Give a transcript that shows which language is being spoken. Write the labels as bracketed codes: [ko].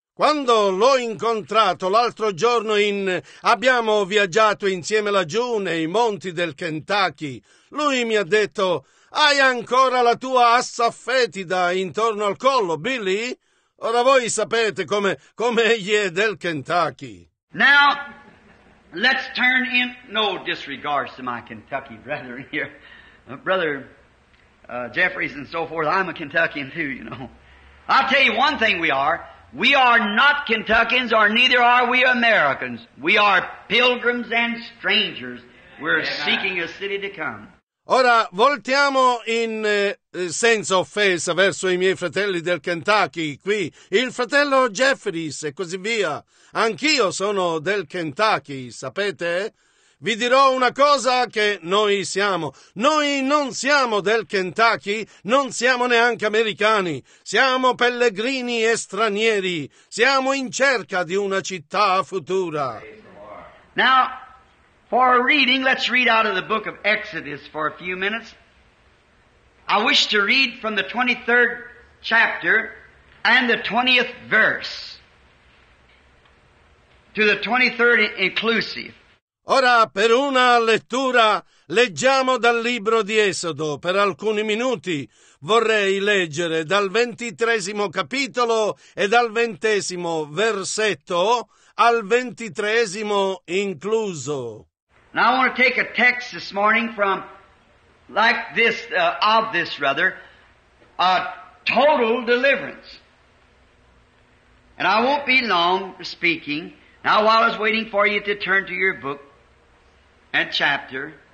[it] Quando l'ho incontrato l'altro giorno abbiamo viaggiato insieme laggiù nei monti del Kentucky, lui mi ha detto, "Hai ancora la tua assafetida intorno al collo, Billy?" Ora voi sapete come egli è del Kentucky. [en] Now, let's turn in, no disregards to my Kentucky brethren here, brother Jeffries and so forth. I'm a Kentuckian too, you know. I'll tell you one thing we are. We are not Kentuckians, or neither are we Americans. We are pilgrims and strangers. We're seeking a city to come. [it] Ora, voltiamo in senza offesa verso i miei fratelli del Kentucky, qui. Il fratello Jeffries e così via. Anch'io sono del Kentucky, sapete? Vi dirò una cosa che noi siamo. Noi non siamo del Kentucky, non siamo neanche americani. Siamo pellegrini e stranieri. Siamo in cerca di una città futura. [en] Now, for a reading, let's read out of the book of Exodus for a few minutes. I wish to read from the 23rd chapter and the 20th verse to the 23rd inclusive. [it] Ora, per una lettura, leggiamo dal libro di Esodo per alcuni minuti. Vorrei leggere dal 23° capitolo e dal 20° versetto al 23° incluso. [en] Now I want to take a text this morning from like this, of this rather, a total deliverance. And I won't be long speaking. Now while I was waiting for you to turn to your book, and chapter.